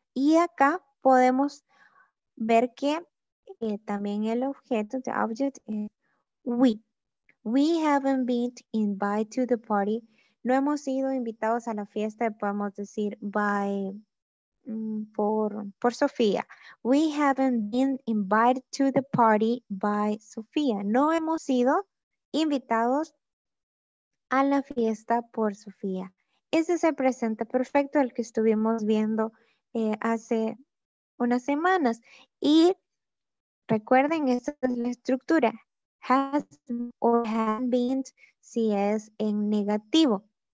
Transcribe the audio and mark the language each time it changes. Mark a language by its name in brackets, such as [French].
[Spanish] Y acá podemos ver que también el objeto, the object, es we. [English] We haven't been invited to the party. [Spanish] No hemos sido invitados a la fiesta, podemos decir by, por Sofía. [English] We haven't been invited to the party by Sofía. [Spanish] No hemos sido invitados a la fiesta por Sofía. Ese es el presente perfecto, el que estuvimos viendo hace unas semanas. Y recuerden, esa es la estructura. [English] Has or have been, [Spanish] si es en negativo.